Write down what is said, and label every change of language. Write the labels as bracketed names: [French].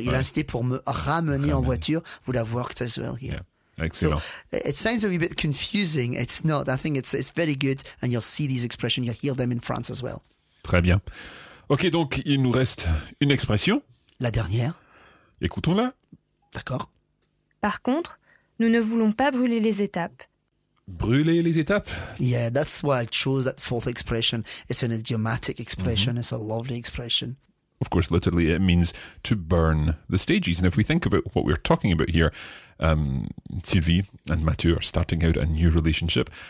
[French] Il a insisté pour me ramener en voiture. [English] Would have worked as well here. Yeah. Excellent. So it sounds a wee bit confusing. It's not. I think it's very good, and you'll see these expressions. You'll hear them in France as well. [French] Très bien. Ok, donc il nous reste une expression. La dernière. Écoutons-la. D'accord. Par contre, nous ne voulons pas brûler les étapes. Brûler les étapes? [English] Yeah, that's why I chose that fourth expression. It's an idiomatic expression. Mm-hmm. It's a lovely expression. Of course, literally, it means to burn the stages. And if we think about what we're talking about here, Sylvie and Mathieu are starting out a new relationship.